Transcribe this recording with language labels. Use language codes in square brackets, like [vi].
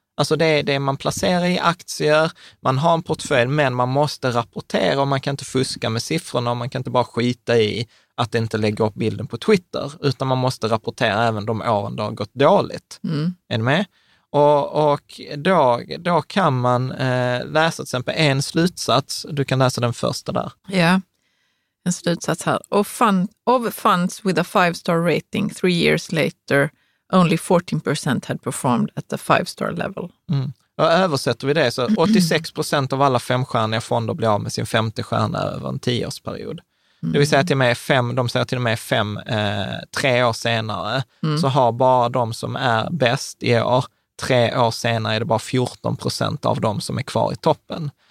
[sv] Alltså det är det man placerar i aktier, man har en portfölj, men man måste rapportera och man kan inte fuska med siffrorna och man kan inte bara skita i att inte lägga upp bilden på Twitter, utan man måste rapportera även de åren det har gått dåligt. Mm. Är ni med? Och då kan man läsa till exempel en slutsats, du kan läsa den första där. Ja, en slutsats här. [en] Of funds with a 5-star rating 3 years later, only 14% had performed at the 5-star level. Mm. [sv] Och översätter vi det så 86% av alla 5-stjärniga fonder blir av med sin 5:e stjärna över en 10-årsperiod. Mm. Det vill säga till och med tre år senare, så har bara de som är bäst i år, 3 år senare är det bara 14% av dem som är kvar i toppen.